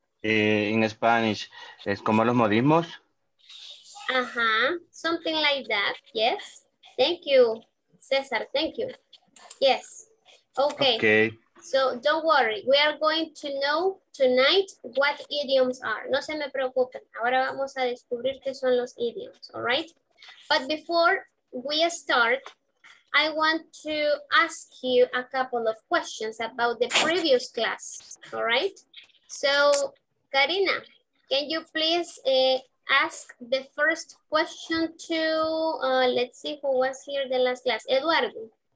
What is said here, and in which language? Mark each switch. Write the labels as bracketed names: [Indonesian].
[English] In Spanish, [Spanish] ¿es como los modismos? [English] Uh-huh, something like that, yes. Thank you, Cesar, thank you. Yes, okay. Okay. So don't worry, we are going to know tonight what idioms are. [Spanish] No se me preocupen, ahora vamos a descubrir qué son los idioms, [English] all right? But before we start, I want to ask you a couple of questions about the previous class, all right? So, Karina, can you please ask the first question to, let's see who was here the last class, Eduardo.